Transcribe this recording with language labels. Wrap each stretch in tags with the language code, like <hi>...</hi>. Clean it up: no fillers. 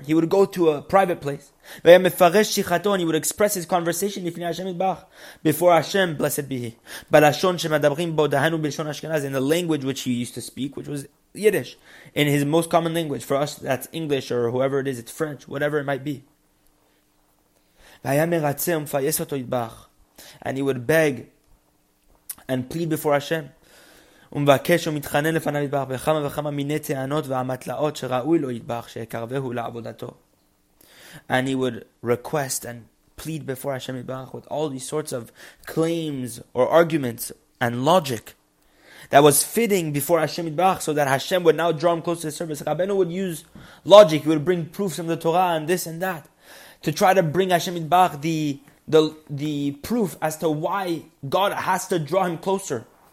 <en>He would go to a private place</en> <he>והיה מפרש שיחתו,</he> <en>and he would express his conversation</en> <he>לפני השם יתברך,</he> <en>before Hashem, blessed be he,</en> <he>בלשון שמדברים בו, דהנו בלשון אשכנז,</he> <en>in the language which he used to speak, which was Yiddish, in his most common language. For us, that's English, or whoever it is, it's French, whatever it might be. And he would beg and plead before Hashem.</en> <he>ומבקש ומתחנן לפניו יתברך בכמה וכמה מיני טענות והמטלאות שראוי לו יתברך שיקרבהו לעבודתו.</he> <en>And he would request and plead before Hashem יתברך with all these sorts of claims or arguments and logic that was fitting before Hashem יתברך, so that Hashem would now draw him close to the service. Rabbeinu would use logic, he would bring proofs from the Torah and this and that, to try to bring Hashem Yitbarach the proof as to why God has to draw him closer.</en>